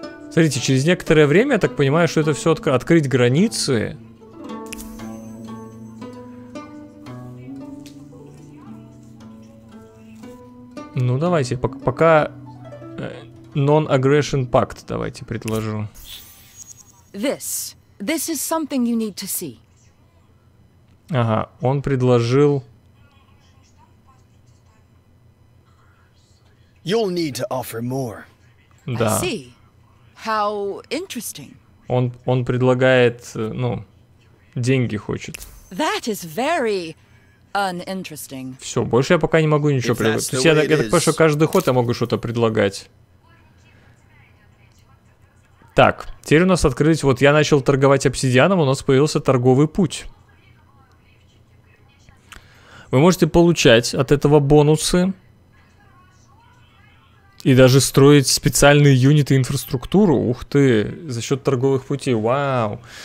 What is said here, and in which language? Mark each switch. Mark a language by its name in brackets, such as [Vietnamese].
[Russian] Смотрите, через некоторое время, я так понимаю, что это все открыть границы. Ну, давайте, пока... Non-aggression pact, давайте предложу. [English] This is something you need to see. [Russian] Ага, он предложил. [English] You'll need to offer more. [Russian] Да. [English] I see. How interesting. [Russian] Он предлагает, ну, деньги хочет. [English] That is very uninteresting. [Russian] Все, больше я пока не могу ничего предложить. То есть я так понимаю, что каждый ход я могу что-то предлагать. Так, теперь у нас открылись, вот я начал торговать обсидианом, у нас появился торговый путь. Вы можете получать от этого бонусы и даже строить специальные юниты инфраструктуру, ух ты, за счет торговых путей, вау.